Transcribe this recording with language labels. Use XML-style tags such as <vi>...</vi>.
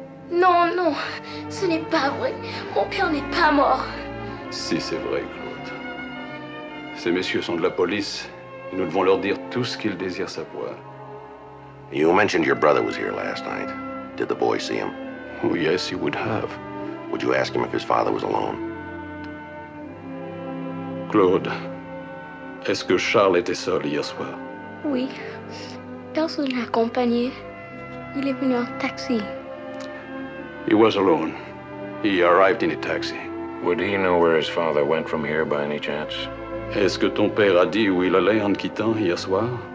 <fr>Non, non, ce n'est pas vrai. Mon père n'est pas mort. Si, c'est vrai, Claude. Ces messieurs sont de la police. Et nous devons leur dire tout ce qu'ils désirent savoir.</fr> <en>You mentioned your brother was here last night. Did the boy see him? Oh, yes, he would have. Would you ask him if his father was alone?</en> <fr>Claude, est-ce que Charles était seul hier soir? Oui. Personne l'a accompagné. Il est venu en taxi.</fr> <en>He was alone. He arrived in a taxi. Would he know where his father went from here by any chance?</en> <fr>Est-ce que ton père a dit où il allait en quittant hier soir?</fr>